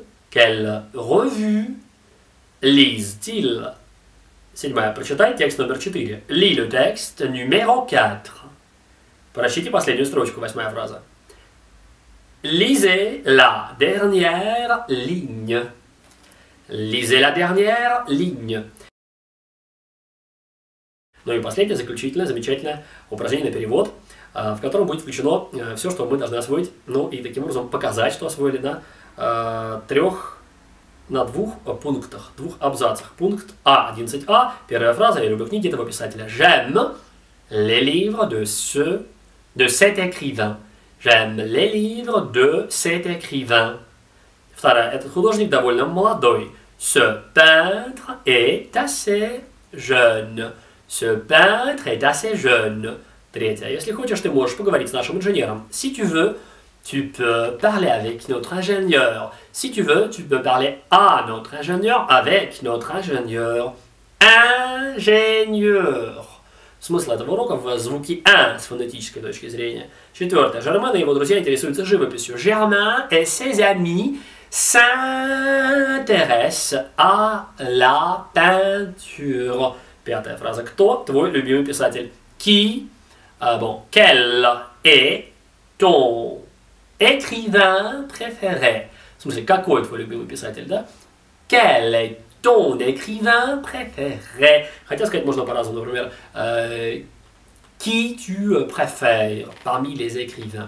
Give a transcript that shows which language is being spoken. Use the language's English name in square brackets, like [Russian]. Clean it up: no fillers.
[French] Quelle revue lisent-ils? [Russian] Седьмая. Прочитай текст номер 4. [French] Lis le texte numéro 4. [Russian] Прочтите последнюю строчку, восьмая фраза. [French] Lisez la dernière ligne. Lisez la dernière ligne. [Russian] Ну и последнее, заключительное, замечательное упражнение на перевод, в котором будет включено все, что мы должны освоить, ну и таким образом показать, что освоили на трех, на двух пунктах, двух абзацах. Пункт А, 11А, первая фраза, я люблю книги этого писателя. [French] J'aime les livres de cet écrivain. J'aime les livres de cet écrivain. [Russian] Вторая, этот художник довольно молодой. [French] Ce peintre est assez jeune. Ce peintre est assez jeune. [Russian] Третья, если хочешь, ты можешь поговорить с нашим инженером. [French] Si tu veux, tu peux parler avec notre ingénieur. Si tu veux, tu peux parler à notre ingénieur, avec notre ingénieur. Ingénieur. [Russian] Смысл этого урока в звуке «ин» с фонетической точки зрения. Четвертое. Жермен и его друзья интересуются живописью. [French] Жермен и ses amis s'intéressent à la peinture. [Russian] Пятая фраза. Кто твой любимый писатель? [French] Qui? Quel est ton écrivain préféré? [Russian] В смысле, какой твой любимый писатель, да? [French] Quel est ton écrivain préféré. [Russian] Хотя сказать можно по-разному, например, [French] qui tu préfères parmi les écrivains.